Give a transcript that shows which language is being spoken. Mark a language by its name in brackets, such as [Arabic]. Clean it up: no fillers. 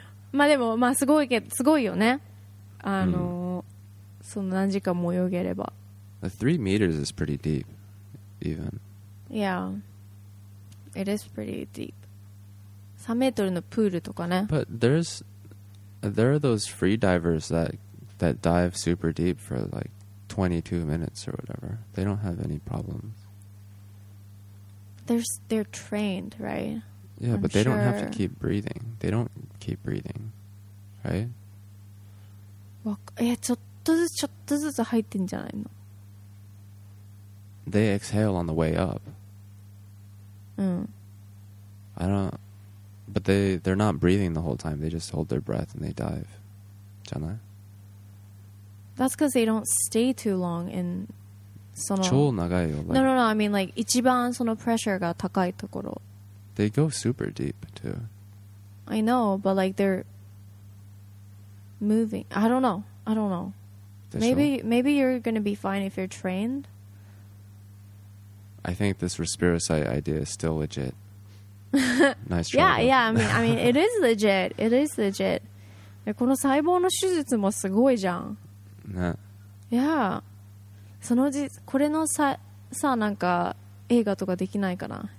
[Japanese] まあでもまあすごいよね。その何時間も泳げれば。 [English] 3 meters is pretty deep, even. Yeah, it is pretty deep. [Japanese] 3 メートルのプールとかね。 [English] But there are those free divers that dive super deep for like 22 minutes or whatever. They don't have any problems. They're trained, right? Yeah, but they don't have to keep breathing. They don't keep breathing, right? [Japanese] ちょっとずつ入ってんじゃないの? [English] They exhale on the way up. Mm. I don't... But they're not breathing the whole time. They just hold their breath and they dive. [Japanese] じゃない? [English] That's because they don't stay too long in... [Japanese] その超長いよ。 [English] Like, no. I mean like [Japanese] 一番そのプレッシャーが高いところ。 [English] They go super deep too. I know, but like they're moving. I don't know. Maybe you're gonna be fine if you're trained. I think this Respirosite idea is still legit. Nice try. Yeah. I mean, it is legit. It is legit. [Japanese] この細胞の手術もすごいじゃん。ね。 [English] Yeah. [Japanese] そのじこれのさなんか映画とかできないかな。